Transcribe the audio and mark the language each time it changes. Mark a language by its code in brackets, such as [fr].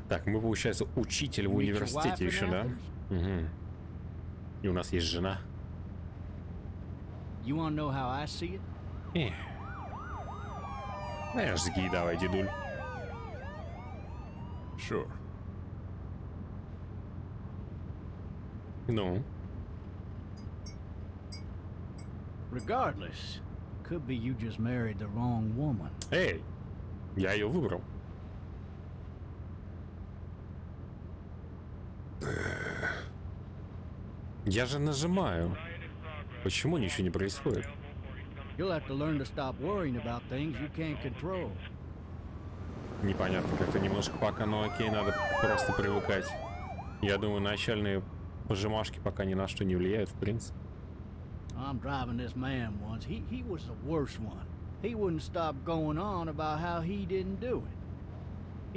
[ru] Так, мы, получается, учитель в университете еще, да? Угу. И у нас есть жена. [en] You want to know how I see it? [ru] Эх, жги давай, дедуль. [en] Sure. [ru] Ну? [en] Regardless, could be you just married the wrong woman. [ru] Эй, я ее выбрал. Я же нажимаю. Почему ничего не происходит? [en] You'll have to learn to stop worrying about things you can't control. [ru] Непонятно, как-то немножко пока, но окей, надо просто привыкать. Я думаю, начальные пожимашки пока ни на что не влияют, в принципе. [en] I'm driving this man once. He was the worst one. He wouldn't stop going on about how he didn't do it.